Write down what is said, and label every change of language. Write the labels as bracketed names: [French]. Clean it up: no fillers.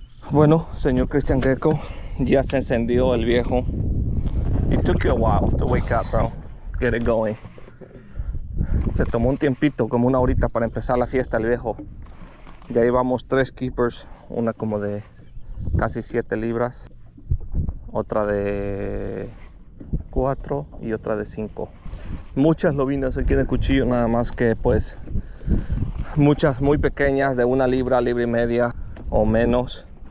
[Spanish] Bueno, señor Cristian Greco, ya se encendió el viejo. [English] It took you a while to wake up, bro. Get it going. [Spanish] Se tomó un tiempito, como una horita, para empezar la fiesta el viejo. Ya llevamos 3 keepers, una como de casi 7 libras, otra de 4 y otra de 5. Muchas lobinas aquí en el cuchillo, nada más que pues muchas muy pequeñas, de 1 libra, libra y media o menos.